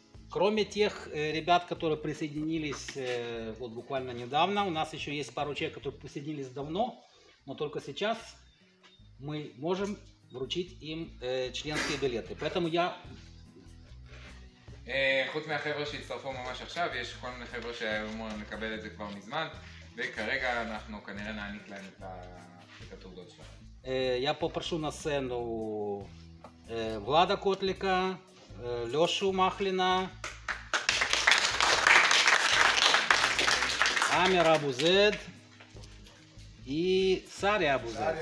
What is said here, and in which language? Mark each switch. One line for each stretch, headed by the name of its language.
Russian: Кроме тех ребят, которые присоединились вот буквально недавно, у нас еще есть пару человек, которые присоединились давно, но только сейчас мы можем вручить им членские билеты. Поэтому я...
Hebrew: חוץ מהחבר'ה שהצטרפו ממש עכשיו, יש כל מיני חבר'ה שאמורים לקבל את זה כבר מזמן, וכרגע אנחנו כנראה נעניק להם את התעודות שלנו.
Russian: Я попрошу на сцену Влада Котлика, Лёшу Махлина, Амир Абузед и Сари Абузед.